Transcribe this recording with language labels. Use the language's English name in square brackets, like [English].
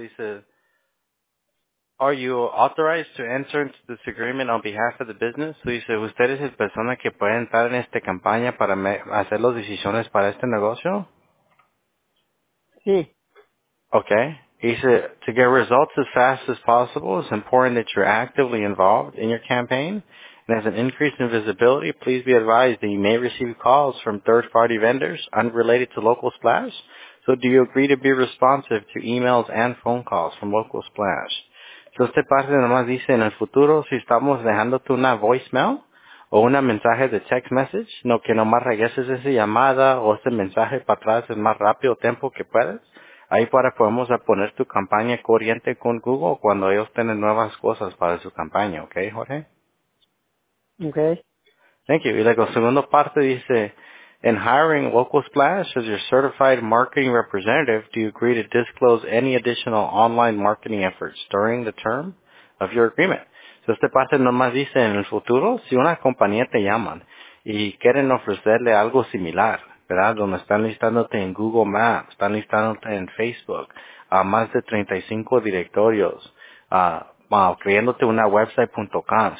[Spanish] Dice, [English] are you authorized to enter into this agreement on behalf of the business? [Spanish] So dice, ¿usted es la persona que puede entrar en esta campaña para hacer las decisiones para este negocio? Sí. [English] Okay. [Spanish] Dice, [English] to get results as fast as possible, it's important that you're actively involved in your campaign. And as an increase in visibility, please be advised that you may receive calls from third-party vendors unrelated to Local Splash. So do you agree to be responsive to emails and phone calls from Local Splash? [Spanish] So esta parte nomás dice, en el futuro, si estamos dejándote una voicemail o una mensaje de [English] text message, [Spanish] no que nomás regreses esa llamada o ese mensaje para atrás en más rápido tiempo que puedes. Ahí para podemos poner tu campaña corriente con Google cuando ellos tienen nuevas cosas para su campaña, ¿ok, Jorge? [English] Okay. Thank you. [Spanish] Y luego, segundo parte dice, [English] in hiring Local Splash as your certified marketing representative, do you agree to disclose any additional online marketing efforts during the term of your agreement? [Spanish] So, esta parte nomás dice, en el futuro, si una compañía te llaman y quieren ofrecerle algo similar, ¿verdad? Donde están listándote en Google Maps, están listándote en Facebook, a más de 35 directorios, creándote una website.com.